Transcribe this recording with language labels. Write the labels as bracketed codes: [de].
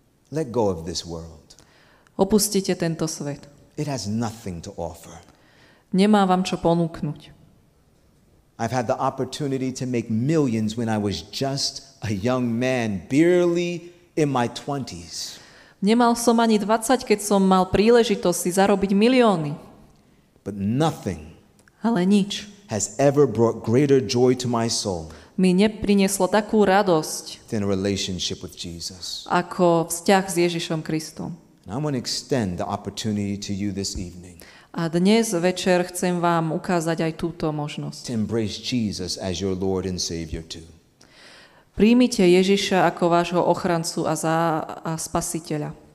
[en] Let go of this world. [sk] Opustite tento svet. [en] It has nothing to offer. [sk] Nemá vám čo ponúknuť. [en] I've had the opportunity to make millions when I was just a young man, barely in my 20s. [sk] Nemal som ani 20, keď som mal príležitosť si zarobiť milióny. [en] But nothing, [sk] ale nič, [en] has ever brought greater joy to my soul, [sk] mi neprinieslo takú radosť, [en] than a relationship with Jesus, [sk] ako vzťah s Ježišom Kristom. [en] And I'm going to extend the opportunity to you this evening, [sk] a dnes večer chcem vám ukázať aj túto možnosť, [en] to embrace Jesus as your Lord and Savior too. [sk] Príjmite Ježiša ako vášho ochrancu a spasiteľa.